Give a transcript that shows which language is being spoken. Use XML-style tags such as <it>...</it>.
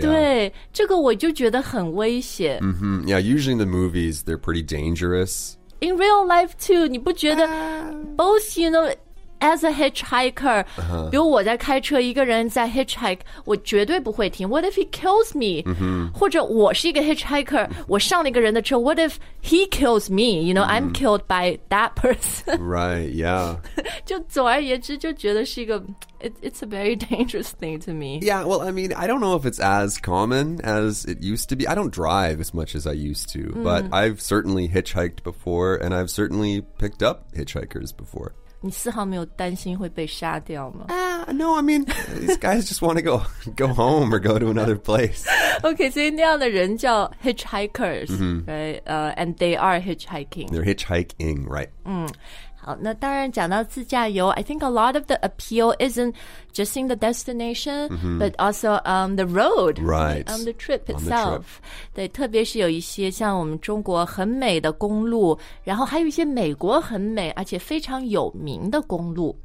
<zh>对，这个我就觉得很危险。 Mm-hmm.</zh> <en>Yeah, usually in the movies, they're pretty dangerous. In real life too,</en> <zh>你不觉得</zh> <en>both, you know, as a hitchhiker,、uh-huh.</en> <zh>比如我在开车一个人在 hitchhike, 我绝对不会停。</zh> <en>What if he kills me?、 Mm-hmm.</en> <zh>或者我是一个 hitchhiker, 我上了一个人的车。</zh> <en>What if he kills me? You know,、mm-hmm. I'm killed by that person. Right, yeah.</en> <zh>就总而言之就觉得是一个</zh> <en>it's a very dangerous thing to me. Yeah, well, I mean, I don't know if it's as common as it used to be. I don't drive as much as I used to,、mm-hmm. but I've certainly hitchhiked before and I've certainly picked up hitchhikers before.</en> <zh>你丝毫没有担心会被杀掉吗、</zh> <en>No, I mean, these guys just want to go home or go to another place. Okay,</en> <zh>所以那样的人叫</zh> <en>hitchhikers,、mm-hmm. right?、And they are hitchhiking. They're hitchhiking, right.、嗯、</en> <zh>好，那当然讲到自驾游</zh> <en>I think a lot of the appeal isn't just in the destination,、mm-hmm. but also on the road. Right. On the trip itself. The trip.</en> <zh>对，特别是有一些像我们中国很美的公路，然后还有一些美国很美而且非常有名的公路。</zh>